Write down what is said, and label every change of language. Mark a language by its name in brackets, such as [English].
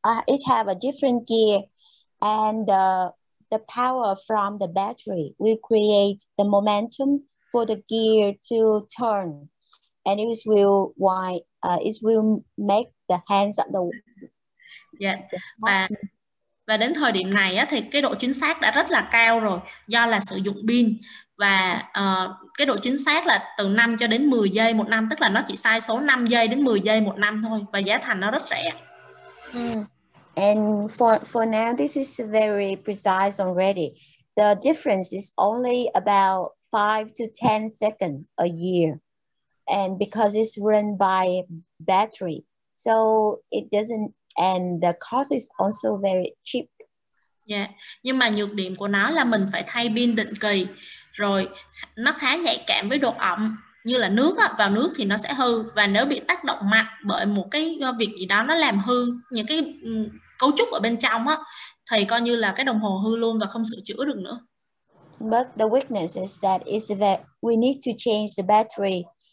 [English] It have a different gear, and the power from the battery will create the momentum for the gear to turn. And it will why it will make the hands of the yeah. [Vietnamese] Và đến thời điểm này á, thì cái độ chính xác đã rất là cao rồi, do là sử dụng pin, và cái độ chính xác là từ 5 cho đến 10 giây một năm, tức là nó chỉ sai số 5 giây đến 10 giây một năm thôi, và giá thành nó rất rẻ. [English] And for now this is very precise already. The difference is only about 5 to 10 seconds a year. And because it's run by battery, so it doesn't, and the cost is also very cheap. [Vietnamese] Yeah, nhưng mà nhược điểm của nó là mình phải thay pin định kỳ, rồi nó khá nhạy cảm với độ ẩm, như là nước á, vào nước thì nó sẽ hư, và nếu bị tác động mạnh bởi một cái việc gì đó nó làm hư những cái cấu trúc ở bên trong á, thì coi như là cái đồng hồ hư luôn và không sửa chữa được nữa. [English] But the weakness is that is that we need to change the battery.